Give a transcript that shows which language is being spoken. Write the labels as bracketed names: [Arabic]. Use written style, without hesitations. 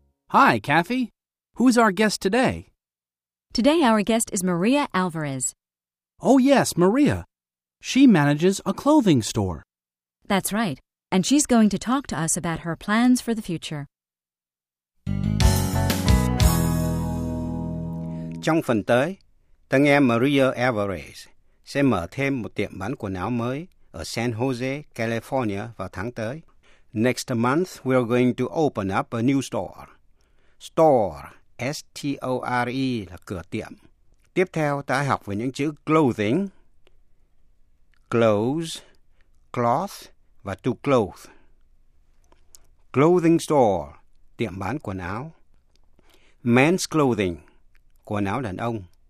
[English] Hi, Kathy. Who's our guest today? Today our guest is Maria Alvarez. Oh yes, Maria. She manages a clothing store. That's right. And she's going to talk to us about her plans for the future. [Vietnamese] Trong phần tới, ta nghe Maria Alvarez sẽ mở thêm một tiệm bán quần áo mới ở San Jose, California vào tháng tới. [English] Next month, we are going to open up a new store. [Vietnamese] Store, S-T-O-R-E, là cửa tiệm. Tiếp theo, ta học về những chữ clothing, clothes, cloth, và to clothe. Clothing store, tiệm bán quần áo. Men's clothing, quần áo đàn ông.